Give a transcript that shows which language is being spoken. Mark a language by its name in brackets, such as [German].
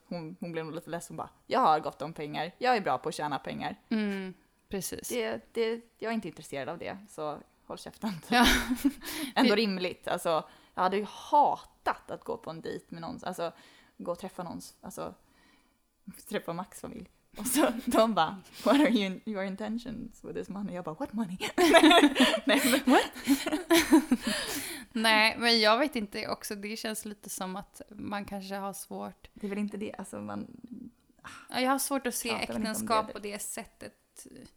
[Swedish] Hon blev lite ledsen. Hon bara, jag har gott om pengar. Jag är bra på att tjäna pengar. Mm, precis. Jag är inte intresserad av det, så håll käften. Ja. Ändå rimligt. Alltså, jag hade ju hatat att gå på en dejt med någon. Alltså, gå och träffa någon. Alltså, träffa Max familj. Och så de bara, [English] what are your intentions with this money? [Swedish] Jag bara, [English] what money? [Swedish] Nej, men, what? Nej, men jag vet inte också. Det känns lite som att man kanske har svårt. Det är väl inte det? Alltså, man, jag har svårt att se äktenskap på det sättet.